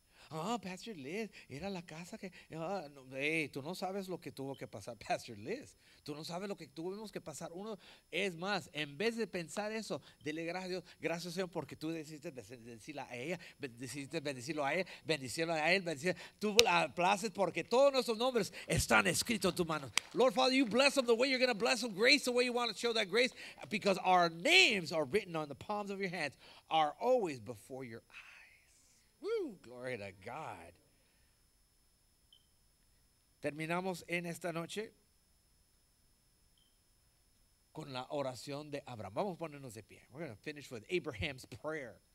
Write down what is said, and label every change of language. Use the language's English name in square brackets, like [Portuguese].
[Spanish] Ah, Pastor Liz, era la casa que, tú no sabes lo que tuvo que pasar, Pastor Liz. Tú no sabes lo que tuvimos que pasar. Uno, es más, en vez de pensar eso, dile gracias a Dios, gracias Señor, porque tú decidiste bendecirla a ella, decidiste bendecirlo a él, bendecirlo a él, bendecirlo. Tú la places porque todos nuestros nombres están escritos en tus manos. [English] Lord Father, you bless them the way you're going to bless them, grace the way you want to show that grace, because our names are written on the palms of your hands, are always before your eyes. Woo, glory to God. [Spanish] Terminamos en esta noche con la oración de Abraham. Vamos a ponernos de pie. [English] We're going to finish with Abraham's prayer.